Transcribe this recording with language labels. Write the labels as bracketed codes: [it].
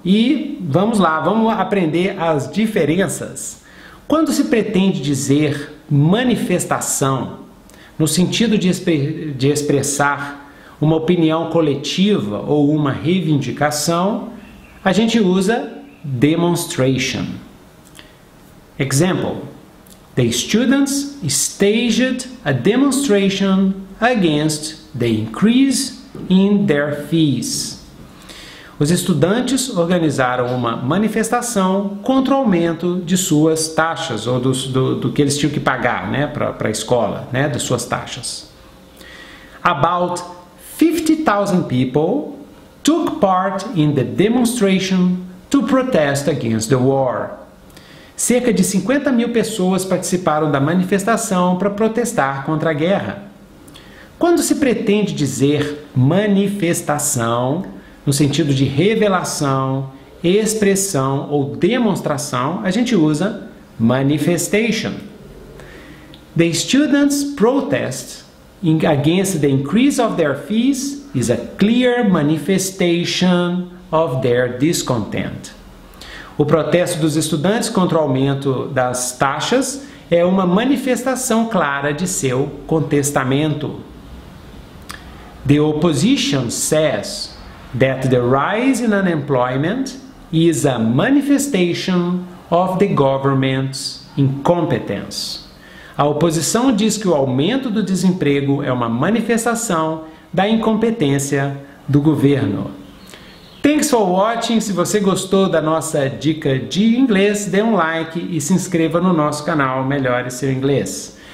[pt] E vamos lá, vamos aprender as diferenças. Quando se pretende dizer manifestação, no sentido de expressar uma opinião coletiva ou uma reivindicação, a gente usa demonstration. [en] Example: the students staged a demonstration against the increase in their fees. [pt] Os estudantes organizaram uma manifestação contra o aumento de suas taxas, ou do que eles tinham que pagar, né, para a escola, né, das suas taxas. [en] About 50,000 people took part in the demonstration to protest against the war. [pt] Cerca de 50 mil pessoas participaram da manifestação para protestar contra a guerra. Quando se pretende dizer manifestação, no sentido de revelação, expressão ou demonstração, a gente usa manifestation. [en] The students' protest against the increase of their fees is a clear manifestation of their discontent. [pt] O protesto dos estudantes contra o aumento das taxas é uma manifestação clara de seu contestamento. [en] The opposition says that the rise in unemployment is a manifestation of the government's incompetence. [pt] A oposição diz que o aumento do desemprego é uma manifestação da incompetência do governo. [en] Thanks for watching. [pt] Se você gostou da nossa dica de inglês, dê um like e se inscreva no nosso canal Melhore Seu Inglês.